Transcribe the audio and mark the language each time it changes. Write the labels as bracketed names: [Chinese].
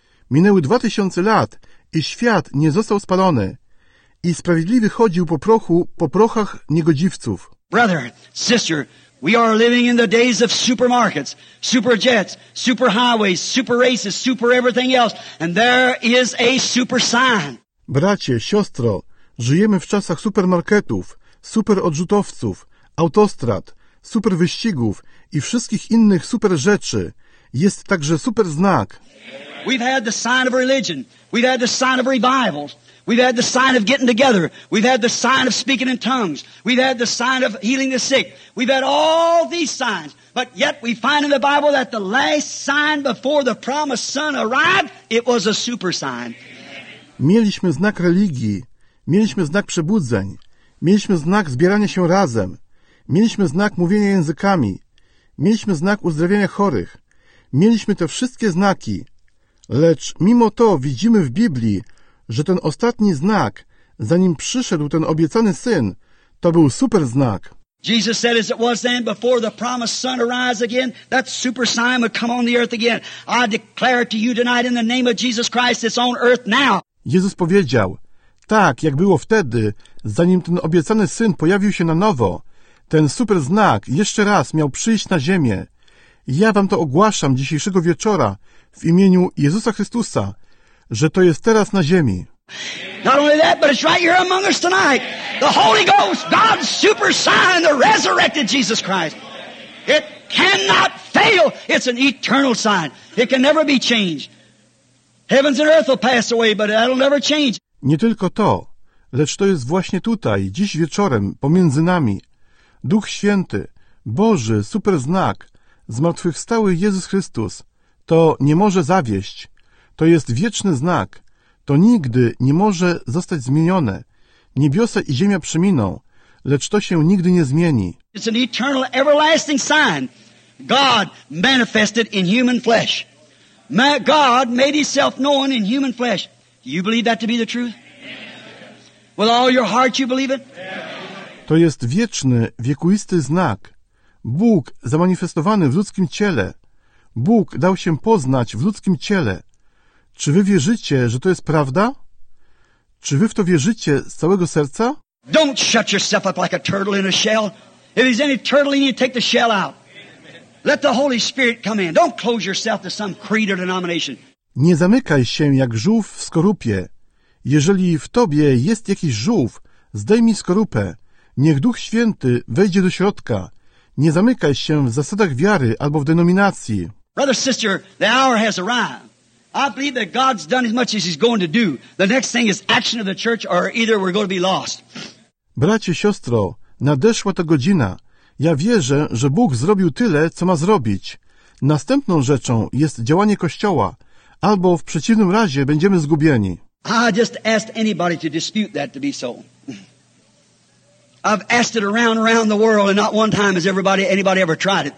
[Polish] Minęły 2000 lat i świat nie został spalony. I sprawiedliwy chodził po prochu, po prochach niegodziwców. [English] Brother, sister, we are living in the days of supermarkets, super jets, super highways, super races, super everything else. And there is a super sign. [Polish] Bracie, siostro, żyjemy w czasach supermarketów, super odrzutowców, autostrad, super wyścigów i wszystkich innych super rzeczy. Jest także super znak. [English] We've had the sign of religion. We've had the sign of revivals. We've had the sign of getting together. We've had the sign of speaking in tongues. We've had the sign of healing the sick. We've had all these signs. But yet we find in the Bible that the last sign before the promised son arrived, it was a super sign. [Polish] Mieliśmy znak religii. Mieliśmy znak przebudzeń. Mieliśmy znak zbierania się razem. Mieliśmy znak mówienia językami. Mieliśmy znak uzdrawiania chorych. Mieliśmy te wszystkie znaki. Lecz mimo to widzimy w Biblii, że ten ostatni znak, zanim przyszedł ten obiecany syn, to był super znak. [English] Jesus said, as it was then, before the promised sun arise again, that super sign would come on the earth again. I declare to you tonight in the name of Jesus Christ, it's on earth now. [Polish] Jezus powiedział, tak jak było wtedy, zanim ten obiecany syn pojawił się na nowo, ten super znak jeszcze raz miał przyjść na ziemię. Ja wam to ogłaszam dzisiejszego wieczora w imieniu Jezusa Chrystusa, że to jest teraz na ziemi. [English] Not only that, but it's right here among us tonight. The Holy Ghost, God's super sign, the resurrected Jesus Christ. It cannot fail. It's an eternal sign. It can never be changed. Heavens and earth will pass away, but it'll never change. [Polish] Nie tylko to, lecz to jest właśnie tutaj, dziś wieczorem, pomiędzy nami. Duch Święty, Boży, super znak, zmartwychwstały Jezus Chrystus, to nie może zawieść. To jest wieczny znak. To nigdy nie może zostać zmienione. Niebiosa i ziemia przeminą, lecz to się nigdy nie zmieni. [English] It's an eternal, everlasting sign. God manifested in human flesh. God made himself known in human flesh. Do you believe that to be the truth? With all your heart you believe it? [Polish] To jest wieczny, wiekuisty znak. Bóg zamanifestowany w ludzkim ciele. Bóg dał się poznać w ludzkim ciele. Czy wy wierzycie, że to jest prawda? Czy wy w to wierzycie z całego serca? [English] Don't shut yourself up like a turtle in a shell. If there's any turtle in you, take the shell out. Let the Holy Spirit come in. Don't close yourself to some creed or denomination. [Polish] Nie zamykaj się jak żółw w skorupie. Jeżeli w tobie jest jakiś żółw, zdejmij skorupę. Niech Duch Święty wejdzie do środka. Nie zamykaj się w zasadach wiary albo w denominacji. [English] Brother, sister, the hour has arrived. I believe that God's done as much as he's going to do. The next thing is action of the church, or either we're going to be lost. [Polish] Bracie, siostro, nadeszła ta godzina. Ja wierzę, że Bóg zrobił tyle, co ma zrobić. Następną rzeczą jest działanie Kościoła, albo w przeciwnym razie będziemy zgubieni. [English] I just asked anybody to dispute that to be so. I've asked it around the world, and not one time has anybody ever tried it.